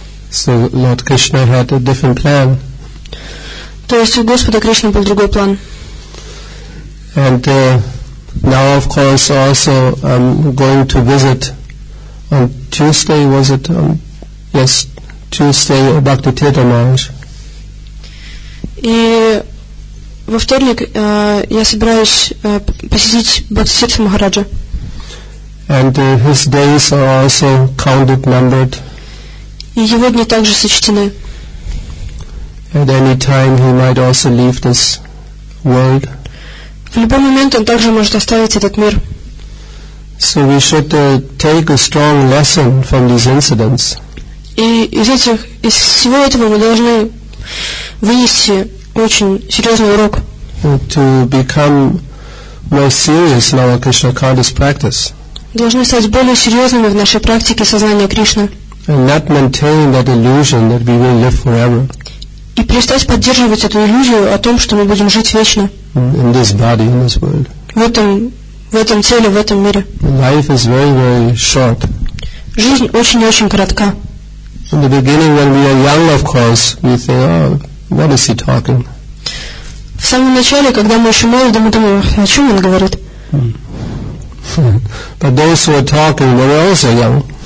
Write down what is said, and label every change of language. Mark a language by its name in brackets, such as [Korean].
[English] So Lord Krishna had a different plan. [Russian] То есть у Господа Кришны был другой план. [English] And now, of course, also I'm going to visit on Tuesday, was it? Yes. Tuesday, Bhakti Tirtha Maharaj. [Russian] И во вторник я собираюсь посетить Бхакти Тиртха Махараджа. [English] And his days are also counted, numbered. [Russian] И его дни также сочтены. [English] At any time he might also leave this world. [Russian] В любой момент он также может оставить этот мир. [English] So we should take a strong lesson from these incidents. [Russian] И из всего этого мы должны вынести очень серьезный урок. [English] To become more serious in our Krishna conscious practice. [Russian] Должны стать более серьезными в нашей практике сознания Кришны. [English] And not maintain that illusion that we will live forever. [Russian] И перестать поддерживать эту иллюзию о том, что мы будем жить вечно. [English] In this body, in this world. [Russian] В этом теле, в этом мире. [English] Life is very, very short. [Russian] Жизнь очень и очень коротка. [English] In the beginning, when we are young, of course, we think, oh, what is he talking? [Russian] В самом начале, когда мы еще молоды, мы думали, о чем он говорит. [English] But those who are talking, they were also young.